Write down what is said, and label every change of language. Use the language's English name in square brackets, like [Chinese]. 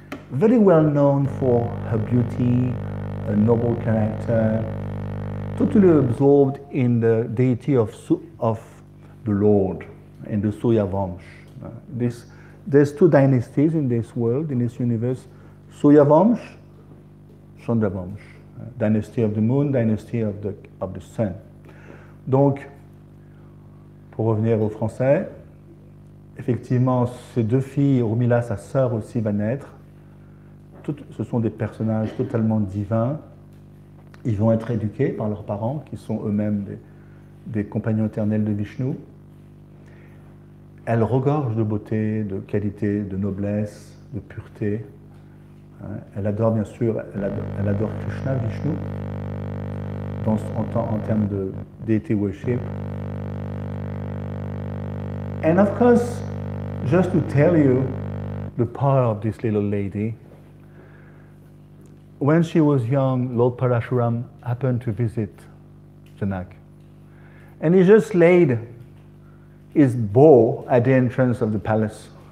[English] Very well known for her beauty, a noble character, totally absorbed in the deity of the Lord, in the Surya Vamsh. There's two dynasties in this world, in this universe, Surya Vamsh, Chandra Vamsh, dynasty of the moon, dynasty of the sun. [French] Donc, pour revenir au français, effectivement, ces deux filles, Urmila, sa sœur aussi va naître, ce sont des personnages totalement divins. Ils vont être éduqués par leurs parents, qui sont eux-mêmes des compagnons éternels de Vishnu. Elles regorgent de beauté, de qualité, de noblesse, de pureté. Elle adore, bien sûr, elle adore Krishna, Vishnu, en termes de [English] deity worship. And of course, just to tell you the power of this little lady, when she was young, Lord Parashuram happened to visit Janak. And he just laid his bow at the entrance of the palace.